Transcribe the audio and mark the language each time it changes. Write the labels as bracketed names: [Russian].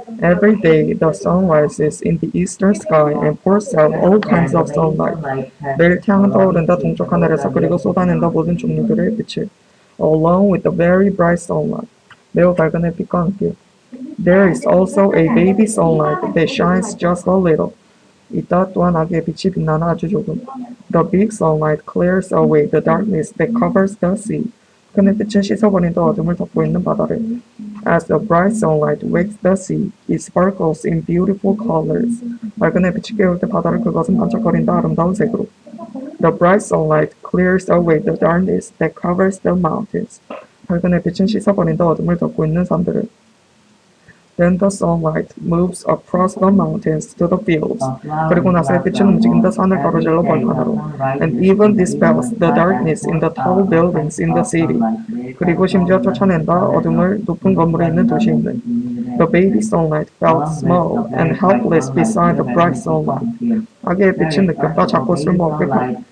[English] Every day, the sun rises in the eastern sky and pours out all kinds of sunlight. [Korean] 매일 태양은 떠오른다 동쪽 하늘에서 그리고 쏟아낸다 모든 종류들의 빛을. [English] Along with the very bright sunlight. [Korean] 매우 밝은 햇빛과 함께. [English] There is also a baby sunlight that shines just a little. [Korean] 이따 또한 아기의 빛이 빛나나 아주 조금. [English] The big sunlight clears away the darkness that covers the sea. [Korean] 큰 햇빛은 씻어버린 더 어둠을 덮고 있는 바다를. [English] As the bright sunlight wakes the sea, it sparkles in beautiful colors. [Korean] 밝은 햇빛이 깨울 때 바다를 그것은 반짝거린다 아름다운 색으로. [English] The bright sunlight clears away the darkness that covers the mountains. [Korean] 밝은 햇빛은 씻어버린 더 어둠을 덮고 있는 산들을. [English] Then the sunlight moves across the mountains to the fields. [Korean] 그리고 나서 햇빛은 움직인다 산을 가로질러 벌판으로. [English] And even dispels the darkness in the tall buildings in the city. [Korean] 그리고 심지어 쫓아낸다 어둠을 높은 건물에 있는 도시인데. [English] The baby sunlight felt small and helpless beside the bright sunlight. [Korean] 아기 햇빛은 느꼈다 작고 쓸모없겠다.